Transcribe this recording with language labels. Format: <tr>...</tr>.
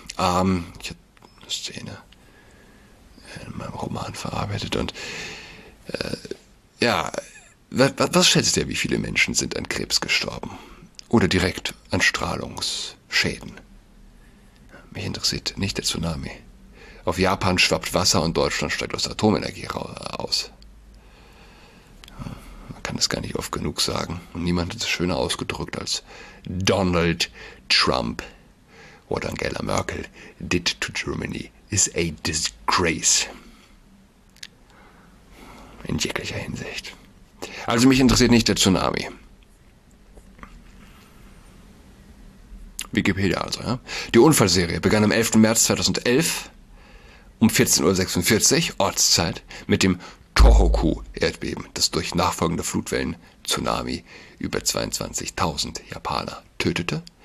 <de>Ich hatte eine Szene in meinem Roman verarbeitet und was schätzt ihr, wie viele Menschen sind an Krebs gestorben oder direkt an Strahlungsschäden? Mich interessiert nicht der Tsunami. Auf Japan schwappt Wasser und Deutschland steigt aus der Atomenergie aus. Man kann das gar nicht oft genug sagen und niemand hat es schöner ausgedrückt als Donald Trump.</de> <en>What Angela Merkel did to Germany is a disgrace.</en> <de>In jeglicher Hinsicht. Also mich interessiert nicht der Tsunami. Wikipedia also, ja? Die Unfallserie begann am 11. März 2011 um 14.46 Uhr Ortszeit mit dem Tohoku-Erdbeben, das durch nachfolgende Flutwellen-Tsunami über 22.000 Japaner tötete.</de>